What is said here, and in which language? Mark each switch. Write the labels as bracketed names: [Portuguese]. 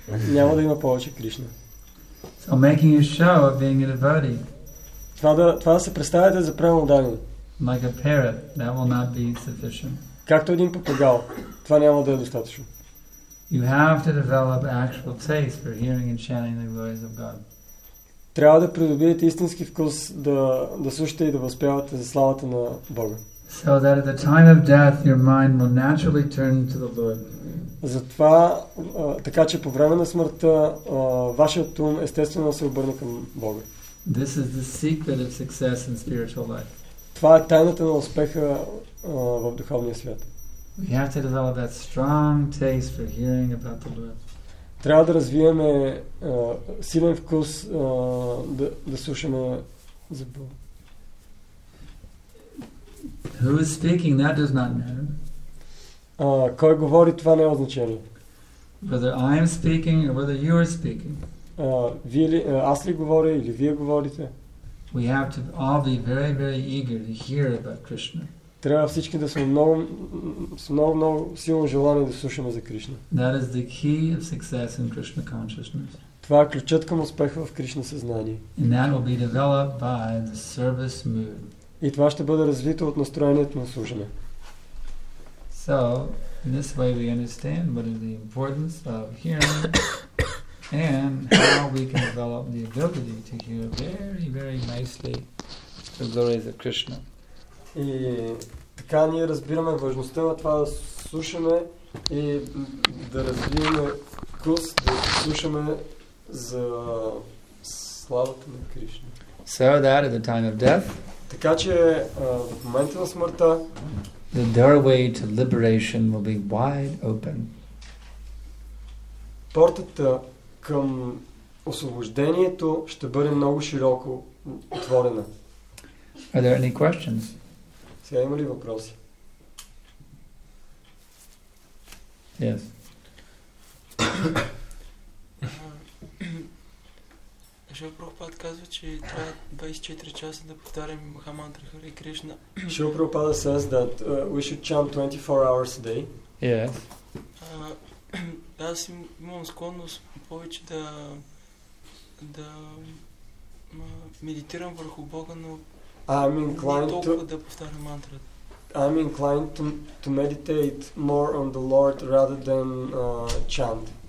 [Bulgarian] Няма да има повече Кришна. [English] So making a show of being a devotee. [Bulgarian] Това да се представяте за преподаване. [English] Like a parrot, that will not be sufficient. [Bulgarian] Както един папагал, това няма да е достатъчно. [English] You have to develop actual taste for hearing and chanting the glories of God. [Bulgarian] Трябва да придобиете истински вкус да слушате и да възпявате за славата на Бога. [English] So that at the time of death your mind will naturally turn to the Lord. [Bulgarian] Затова така че по време на смъртта вашият ум естествено се обърне към Бога. [English] This is the secret of success in spiritual life. [Bulgarian] Това е тайната на успеха в духовния свят. [English] We have to develop that strong taste for hearing about the Lord. [Bulgarian] Трябва да развиеме силен вкус да слушаме за Бога. [English] Who is speaking, that does not matter. [Bulgarian] Кой говори, това не е означение. [English] Whether I am speaking or whether you are speaking. [Bulgarian] Аз ли говоря или вие говорите? [English] We have to all be very, very eager to hear about Krishna. [Bulgarian] Трябва всички да сме много, с много, много силно желание да слушаме за Кришна. [English] That is the key of success in Krishna consciousness. [Bulgarian] Това е ключът към успеха в Кришна съзнание. [English] And that will be developed by the service mood. [Bulgarian] И това ще бъде развито от настроението на служене. [English] So, in this way we understand what is the importance of hearing and how we can develop the ability to hear very, very nicely the glories of Krishna. [Bulgarian] И така ние разбираме важността на това да слушаме и да развиваме вкус, да слушаме за славата на Кришна. [English] So that at the time of death, [Bulgarian] така че в момента на смъртта, [English] the doorway to liberation will be wide open. [Bulgarian] Портата към освобождението ще бъде много широко отворена. [English] Are there any questions? [Bulgarian] Сега има ли въпроси? [English] Yes. [Bulgarian] Шрила Прабхупада казва, че трябва 24 часа да повтаряме Махамантра Хари Кришна. [English] Шрила Прабхупада says that we should chant 24 hours a day. Yes. [Bulgarian] Аз имам склонност повече да медитирам върху Бога, но [English] I'm inclined to meditate more on the Lord rather than chant.